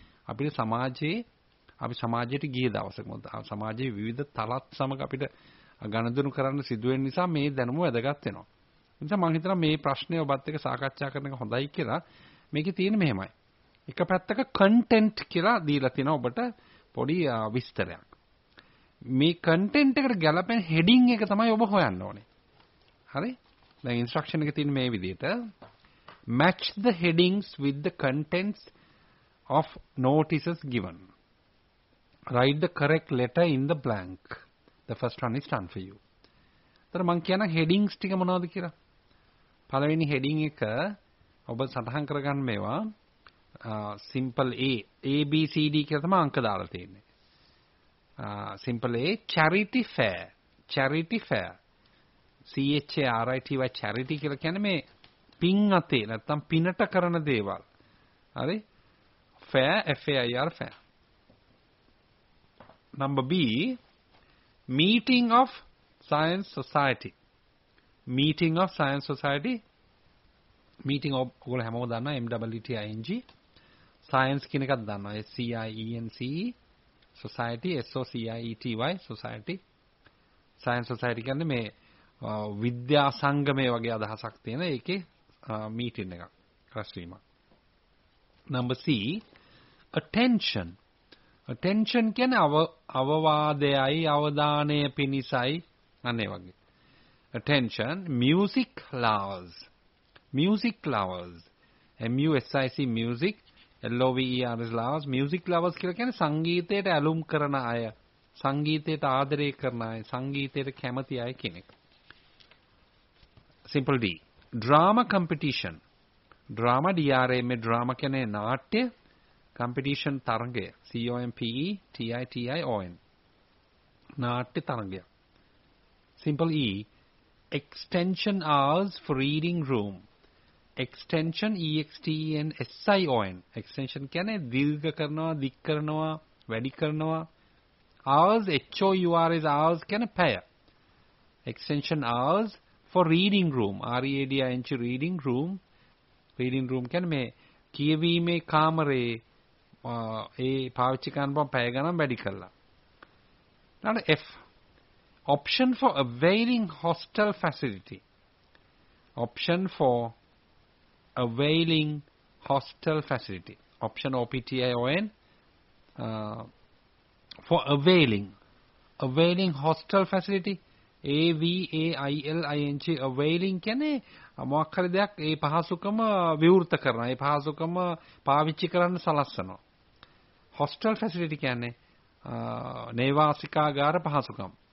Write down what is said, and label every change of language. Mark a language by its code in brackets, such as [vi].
[si] අපිට සමාජයේ අපි සමාජයට ගිය දවසක සමාජයේ විවිධ තලත් සමග අපිට ගණඳුනු කරන්න සිදු වෙන නිසා මේ දැනුම වැදගත් වෙනවා. ඒ නිසා මම හිතනවා මේ ප්‍රශ්නේ ඔබත් එක්ක සාකච්ඡා කරන එක හොඳයි කියලා. මේකේ තියෙන්නේ මෙහෙමයි. එක පැත්තක කන්ටෙන්ට් කියලා දීලා තිනවා ඔබට පොඩි විස්තරයක්. මේ කන්ටෙන්ට් එකට ගැලපෙන හෙඩින් එක තමයි ඔබ හොයන්න ඕනේ. හරි? දැන් ඉන්ස්ට්‍රක්ෂන් එකේ තියෙන්නේ මේ විදිහට [en] match the headings with the contents of notices given. Write the correct letter in the blank. The first one is done for you. [si] තර මං කියන හෙඩින්ග්ස් ටික මොනවද කියලා? පළවෙනි හෙඩින් එක ඔබ සටහන් කරගන්න මේවා simple A A B C D කියලා තමයි අංක දාලා තියෙන්නේ. [en] Simple A charity fair. Charity fair. CHARITY charity [si] කියලා කියන්නේ මේ පින් අතේ නැත්තම් පිනට කරන දේවල්. හරි? [en] Fair FAIR fair. Number B meeting of science society. Meeting of science society. Meeting of [si] ඔයගොල්ලෝ හැමෝම දන්නවා MEETING. Science කියන එකක් දන්නවා SCIENCE. Society SOCIETY society. Science society කියන්නේ මේ විද්‍යා සංගමය වගේ අදහසක් තියෙන ඒකේ meeting එකක් රැස්වීමක්. [en] Number C attention. Attention [si] කියන්නේ අවවාදයයි අවධානය පිණිසයි අනේ වගේ. [en] Attention music lovers. Music lovers. MUSIC music LOVER is lovers. Music lovers [si] කියලා කියන්නේ සංගීතයට ඇලුම් කරන අය, සංගීතයට ආදරය කරන අය, සංගීතයට කැමති අය කෙනෙක්. [en] Simple D. Drama competition. Drama DRAM drama [si] කියන්නේ නාට්‍ය. Competition තරගය COMPETITION නාට්‍ය තරගය. [en] Simple E extension hours for reading room. [si] Extension EXTENSION extension කියන්නේ දීර්ඝ කරනවා, දික් කරනවා, වැඩි කරනවා. [en] Hours HOURS hours [si] කියන්නේ පැය. [en] Extension hours for reading room READING reading room. [si] Reading room කියන්නේ මේ කියවීමේ කාමරයේ ඒ පාවිච්චි කරන බම් පැය ගණන් වැඩි කළා. නැත්නම් [en] F option for availing hostel facility. Option for availing hostel facility. Option OPTION for availing. Availing hostel facility AVAILING availing [si] කියන්නේ මොකක් හරි දෙයක් ඒ පහසුකම විවෘත කරන, ඒ පහසුකම පාවිච්චි කරන්න සලස්සන. Hostel facility කියන්නේ නේවාසිකාගාර පහසුකම්.